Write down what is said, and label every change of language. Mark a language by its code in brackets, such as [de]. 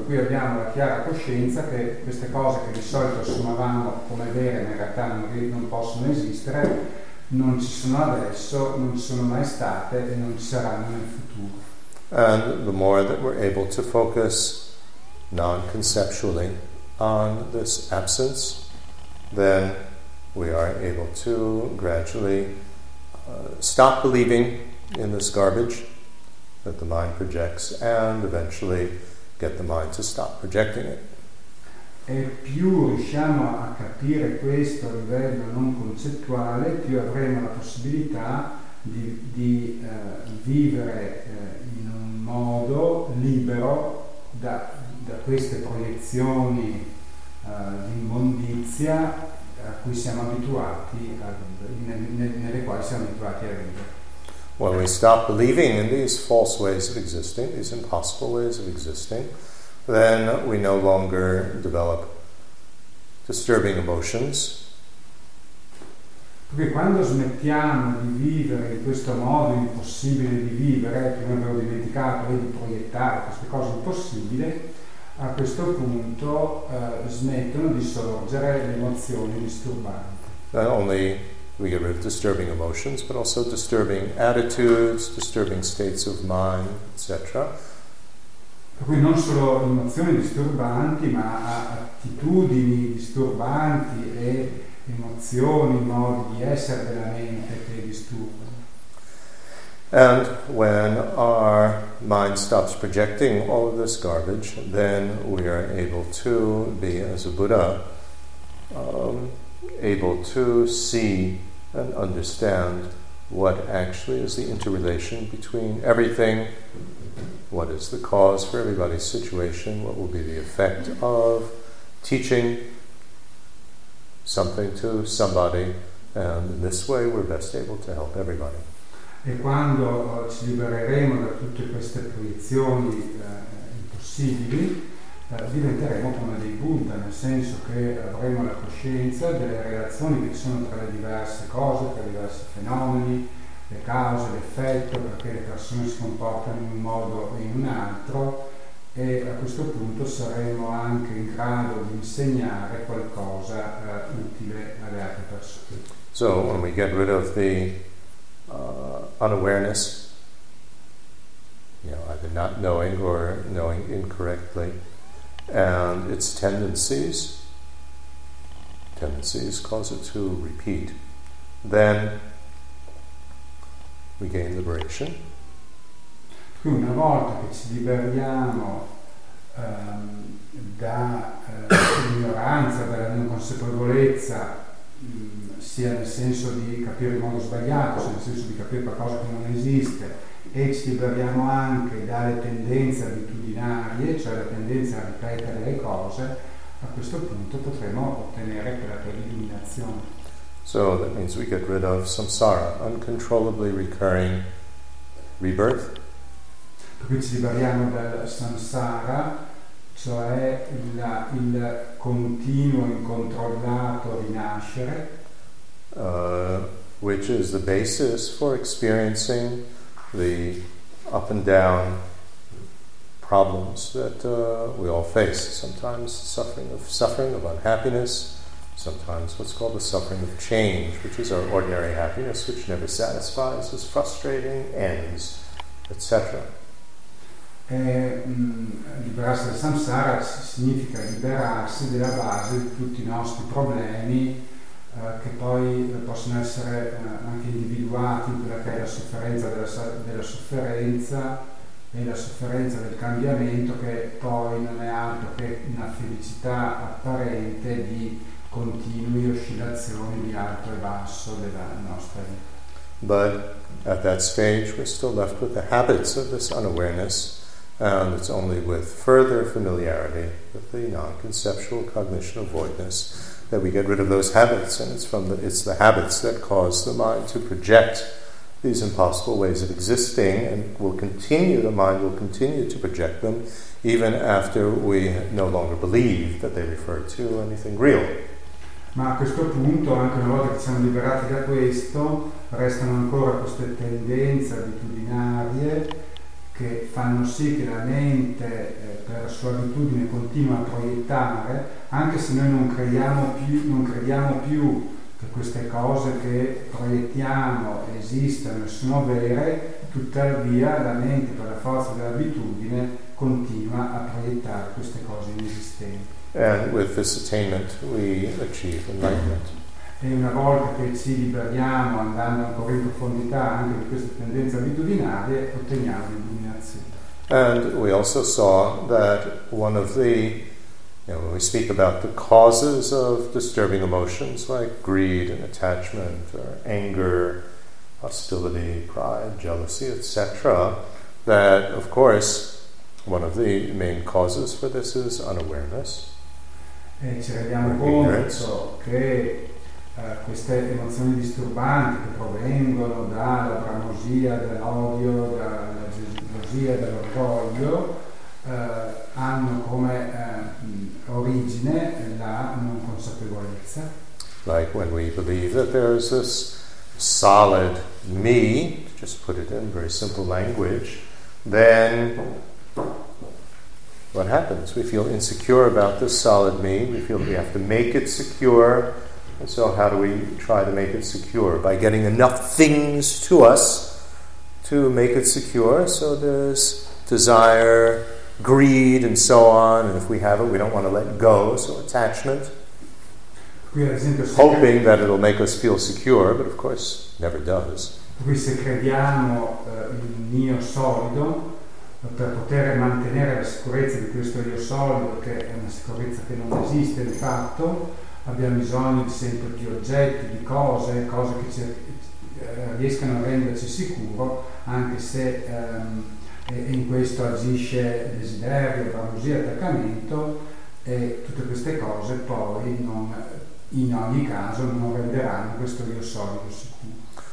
[it] Per cui abbiamo la chiara coscienza che queste cose che di solito assumavamo come vere, ma in realtà non possono esistere, non ci sono adesso, non ci sono mai state e non ci saranno nel futuro. [en] And the more that we're able to focus non-conceptually on this absence, then we are able to gradually stop believing in this garbage that the mind projects and eventually get the mind to stop projecting it. [it] E più riusciamo a capire questo a livello non concettuale, più avremo la possibilità di vivere in un modo libero da queste proiezioni di immondizia a cui siamo abituati a nelle quali siamo abituati a vivere. [en] When we stop believing in these false ways of existing, these impossible ways of existing, then we no longer develop disturbing emotions. [it] Perché quando smettiamo di vivere in questo modo impossibile di vivere, prima abbiamo dimenticato di proiettare queste cose impossibili, a questo punto smettono di sorgere le emozioni disturbanti. [en] not only do we get rid of disturbing emotions, but also disturbing attitudes, disturbing states of mind, etc. [it] Per cui non solo emozioni disturbanti, ma attitudini disturbanti e emozioni, modi di essere della mente che disturbano. [en] And when our mind stops projecting all of this garbage, then we are able to be, as a Buddha, able to see and understand what actually is the interrelation between everything, what is the cause for everybody's situation, what will be the effect of teaching something to somebody, and in this way we're best able to help everybody. [it] E quando ci libereremo da tutte queste proiezioni impossibili, diventeremo come dei Buddha, nel senso che avremo la coscienza delle relazioni che ci sono tra le diverse cose, tra i diversi fenomeni, le cause, l'effetto, perché le persone si comportano in un modo e in un altro, e a questo punto saremo anche in grado di insegnare qualcosa utile alle altre persone. [en] So, when we get rid of the unawareness, you know, either not knowing or knowing incorrectly, and its tendencies cause it to repeat, then we gain liberation. [it] Quindi una volta che ci liberiamo da ignoranza, dalla non consapevolezza, sia nel senso di capire in modo sbagliato, sia nel senso di capire qualcosa che non esiste, e ci liberiamo anche dalle tendenze abitudinarie, cioè la tendenza a ripetere le cose, a questo punto potremo ottenere quella che è l'illuminazione. [en] So that means we get rid of samsara, uncontrollably recurring rebirth. [it] Per cui ci liberiamo dal samsara, cioè il continuo incontrollato rinascere, [en] Which is the basis for experiencing the up and down problems that we all face. Sometimes suffering of unhappiness, sometimes what's called the suffering of change, which is our ordinary happiness, which never satisfies, is frustrating, ends, etc. [it] Liberarsi dal samsara significa liberarsi della base di tutti i nostri problemi, che poi possono essere anche individuati in quella che è la sofferenza della sofferenza e la sofferenza del cambiamento, che poi non è altro che una felicità apparente di continue oscillazioni di alto e basso della nostra vita. [en] But at that stage we're still left with the habits of this unawareness, and it's only with further familiarity with the non-conceptual cognition of voidness that we get rid of those habits, and it's the habits that cause the mind to project these impossible ways of existing, and the mind will continue to project them even after we no longer believe that they refer to anything real. [it] Ma a questo punto, anche una volta che siamo liberati da questo, restano ancora queste tendenze abitudinarie che fanno sì che la mente per la sua abitudine continua a proiettare, anche se noi non crediamo più che queste cose che proiettiamo esistano e sono vere, tuttavia la mente per la forza dell'abitudine continua a proiettare queste cose inesistenti. [en] And with this attainment we achieve enlightenment. [it] E una volta che ci liberiamo, andando ancora in profondità anche di queste tendenze abitudinarie, otteniamo l'illuminazione. [en] And we also saw that one of the, you know, when we speak about the causes of disturbing emotions like greed and attachment or anger, hostility, pride, jealousy, etc., that of course one of the main causes for this is unawareness. [it] E ci rendiamo conto che queste emozioni disturbanti che provengono dalla bramosia, dall'odio, dalla gelosia, dall'orgoglio, hanno come origine la non consapevolezza. [en] Like when we believe that there is this solid me, to just put it in very simple language, then what happens? We feel insecure about this solid me, we feel we have to make it secure, And so how do we try to make it secure? By getting enough things to us to make it secure. So there's desire, greed, and so on. And if we have it, we don't want to let go. So attachment. [it] Qui ad esempio, se [en] hoping that it'll make us feel secure, but of course, never does. [it] Qui se crediamo il mio solido, per poter mantenere la sicurezza di questo io solido, che è una sicurezza che non esiste di fatto, abbiamo bisogno di sempre di oggetti, di cose, cose che ci riescano a renderci sicuro, anche se in questo agisce desiderio, paralisia, attaccamento, e tutte queste cose poi non, in ogni caso non renderanno questo io solido sicuro.